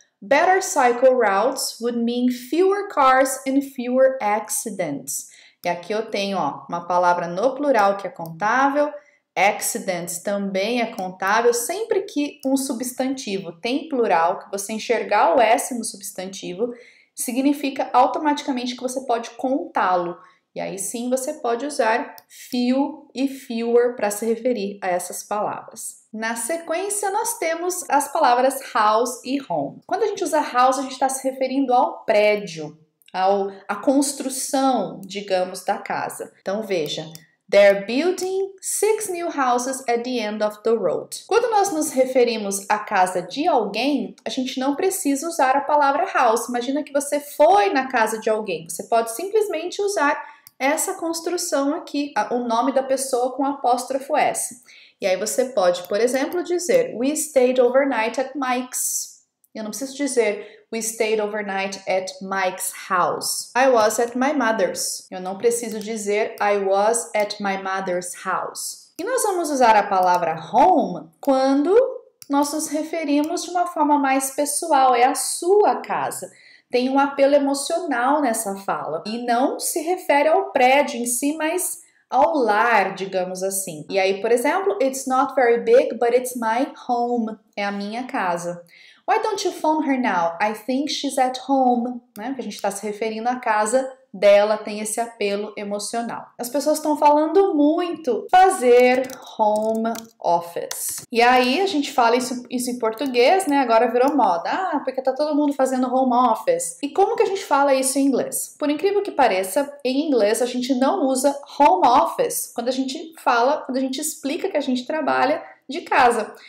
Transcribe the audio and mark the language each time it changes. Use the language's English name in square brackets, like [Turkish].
[English] Better cycle routes would mean fewer cars and fewer accidents. [Portuguese] E aqui eu tenho, ó, uma palavra no plural que é contável. Accidents também é contável. Sempre que um substantivo tem plural, que você enxergar o S no substantivo, significa automaticamente que você pode contá-lo. E aí sim você pode usar few e fewer para se referir a essas palavras. Na sequência, nós temos as palavras house e home. Quando a gente usa house, a gente está se referindo ao prédio, à construção, digamos, da casa. Então veja, [English] they're building six new houses at the end of the road. [Portuguese] Quando nós nos referimos à casa de alguém, a gente não precisa usar a palavra house. Imagina que você foi na casa de alguém. Você pode simplesmente usar essa construção aqui, o nome da pessoa com apóstrofo S. E aí você pode, por exemplo, dizer, [English] we stayed overnight at Mike's. [Portuguese] Eu não preciso dizer, [English] we stayed overnight at Mike's house. I was at my mother's. [Portuguese] Eu não preciso dizer, [English] I was at my mother's house. [Portuguese] E nós vamos usar a palavra home quando nós nos referimos de uma forma mais pessoal. É a sua casa. Tem um apelo emocional nessa fala. E não se refere ao prédio em si, mas ao lar, digamos assim. E aí, por exemplo, [English] it's not very big, but it's my home. [Portuguese] É a minha casa. [English] Why don't you phone her now? I think she's at home. [Portuguese] Né? Porque a gente está se referindo à casa dela tem esse apelo emocional. As pessoas estão falando muito fazer home office. E aí a gente fala isso em português, né? Agora virou moda. Ah, porque tá todo mundo fazendo home office. E como que a gente fala isso em inglês? Por incrível que pareça, em inglês a gente não usa home office quando a gente fala, quando a gente explica que a gente trabalha de casa.